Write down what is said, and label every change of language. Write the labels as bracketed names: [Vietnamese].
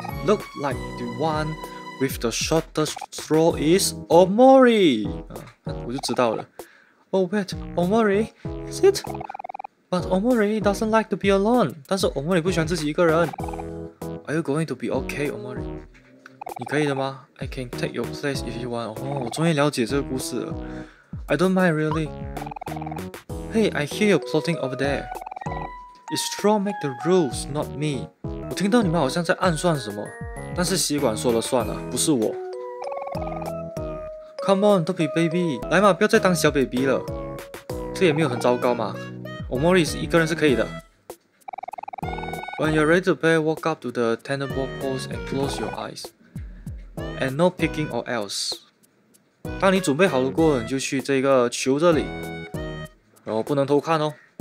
[English] Look like the one with the shortest straw is Omori. [Chinese] 我就知道了。 [English] Oh wait, Omori, is it? But Omori doesn't like to be alone. [Chinese] 但是 Omori 不喜欢自己一个人。 [English] Are you going to be okay, Omori? [Chinese] 你可以的吗？ [English] I can take your place if you want. [Chinese] 哦，我终于了解这个故事了。 [English] I don't mind, really. Hey, I hear you plotting over there. It's straw make the rules, not me. [Chinese] 我听到你们好像在暗算什么，但是吸管说了算了，不是我。 [English] Come on, don't be baby. [Chinese] 来嘛，不要再当小 baby 了。这也没有很糟糕嘛。 Omori 是一个人是可以的。 [English] When you're ready to play, walk up to the tenable pose and close your eyes. And no picking or else. [Chinese] 当你准备好了过后，你就去这个球这里，然后不能偷看哦。